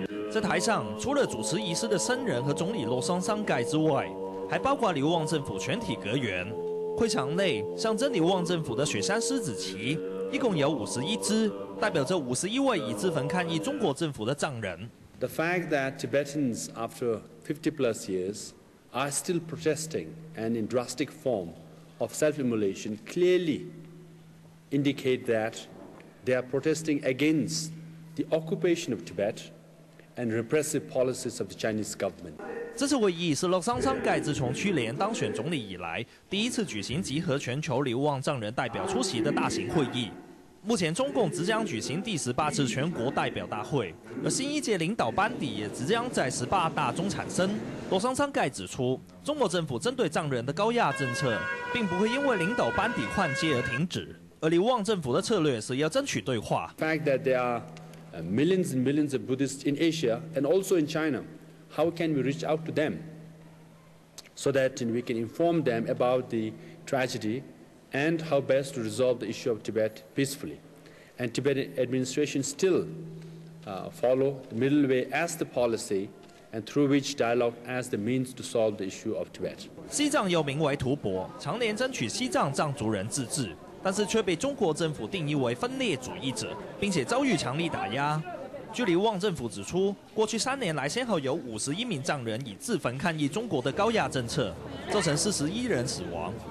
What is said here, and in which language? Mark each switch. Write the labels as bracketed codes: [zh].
[zh] 在台上，除了主持仪式的僧人和总理洛桑桑盖之外，还包括流亡政府全体阁员。会场内，象征流亡政府的雪山狮子旗一共有51只，代表着51位已自焚抗议中国政府的藏人。 [en] The fact that Tibetans after 50 plus years are still protesting and in drastic form of self-immolation clearly indicate that they are protesting against the occupation of Tibet and repressive policies of the Chinese government. [zh] 这次会议是洛桑桑盖自从屈连当选总理以来第一次举行集合全球流亡藏人代表出席的大型会议。目前中共即将举行第18次全国代表大会，而新一届领导班底也即将在18大中产生。洛桑桑盖指出，中国政府针对藏人的高压政策并不会因为领导班底换届而停止，而流亡政府的策略是要争取对话。 [en] The fact that there are millions and millions of Buddhists in Asia and also in China, how can we reach out to them so that we can inform them about the tragedy? And how best to resolve the issue of Tibet peacefully. And Tibetan administration still follow the middle way as the policy and through which dialogue as the means to solve the issue of Tibet. [zh] 西藏又名为吐蕃，常年争取西藏藏族人自治，但是却被中国政府定义为分裂主义者，并且遭遇强力打压。据流亡政府指出，过去3年来先后有51名藏人以自焚抗议中国的高压政策，造成41人死亡。